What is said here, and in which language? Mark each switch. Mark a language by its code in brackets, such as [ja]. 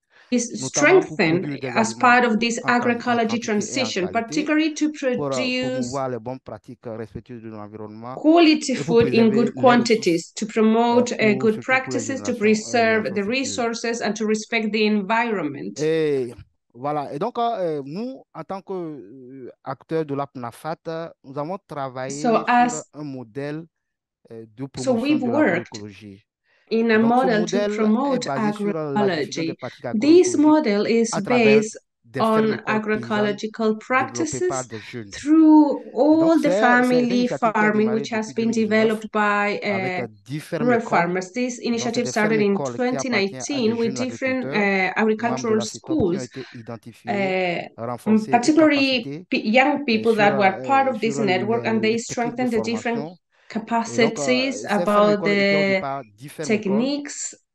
[en] is strengthened as part of this agroecology transition, particularly to produce quality food in good quantities, to promote good practices, to preserve the resources and to respect the environment. [fr] Voilà, et donc nous, en tant qu'acteurs de la PNAFAT, nous avons travaillé sur un modèle de promotion de l'agroécologie. [en] In a model to promote agroecology. This model is based on agroecological practices through all the family farming, which has been developed by rural farmers. This initiative started in 2019 with different agricultural schools, particularly young people that were part of this network, and they strengthened the different capacities about the techniques.